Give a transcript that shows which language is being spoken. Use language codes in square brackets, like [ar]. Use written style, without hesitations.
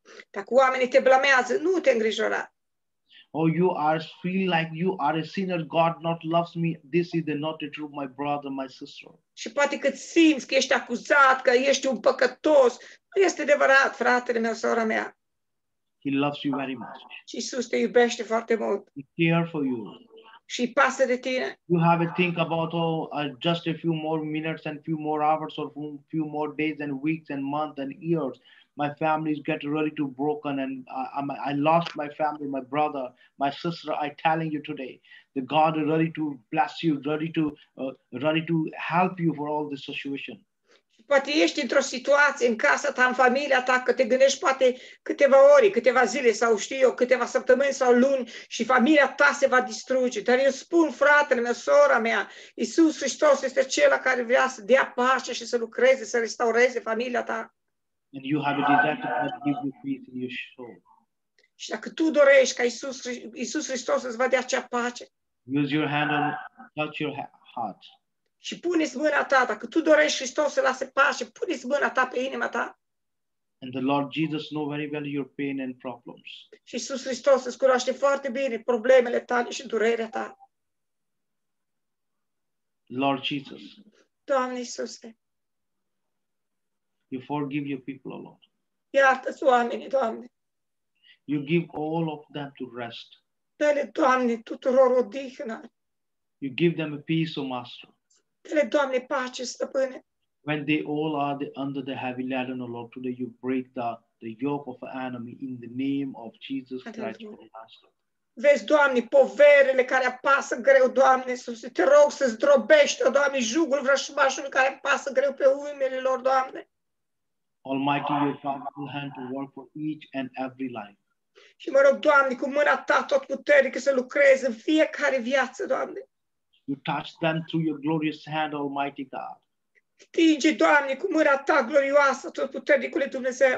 [ro] Dacă oamenii te blamează, nu te îngrijora. [en] Oh, you are feeling like you are a sinner. God not loves me. This is not the truth, my brother, my sister. [ro] Și poate că simți că ești acuzat, că ești un păcătos. Nu este adevărat, fratele meu, sora mea. [en] He loves you very much. [ro] Și Iisus te iubește foarte mult. [en] He cares for you. [ro] Și pasă de tine. [en] You have to think about just a few more minutes and few more hours or few more days and weeks and months and years. My family is getting ready to broken and I lost my family, my brother, my sister. I telling you today, the God is ready to bless you, ready to help you for all the situation. [ro] Poate ești într-o situație în casa ta, în familia ta, că te gândești poate câteva ori, câteva zile sau știu eu, câteva săptămâni sau luni și familia ta se va distruge. Dar eu spun, fratele meu, sora mea, Iisus Hristos este acela care vrea să dea pace și să lucreze, să restaureze familia ta. [en] And you have a desire to give you peace in your soul. [ro] Și dacă tu dorești ca Iisus Hristos să-ți va dea acea pace, [en] use your hand and touch your heart. [ro] Și pune-ți mâna ta, dacă tu dorești Hristos să lase pace, pune-ți mâna ta pe inima ta. [en] And the Lord Jesus knows very well your pain and problems. [ro] Și Iisus Hristos îți cunoaște foarte bine problemele tale și durerea ta. [en] Lord Jesus. [ro] Doamne Iisuse. [en] You forgive your people, O Lord. [ro] Iartă-ți oamenii, Doamne. [en] You give all of them to rest. [ro] Dă-le, Doamne, tuturor odihnă. [en] You give them a peace, O Master. [ro] Dă-le, Doamne, pace, Stăpâne. [en] When they all are under the heavy laden, O Lord, today you break the yoke of the enemy in the name of Jesus Christ, O Master. [ro] Vezi, Doamne, poverile care apasă greu, Doamne, Iisuse, te rog să zdrobești, O Doamne, jugul vrășmașului care apasă greu pe umerile lor, Doamne. [en] Almighty, your powerful hand to work for each and every life. [ro] Și mă rog, Doamne, cu mâna ta tot puternică să lucreze în fiecare viață, Doamne. [en] You touch them through your glorious hand, Almighty God. [ro] Stinge, Doamne, cu mâna ta glorioasă, tot puternicule Dumnezeu.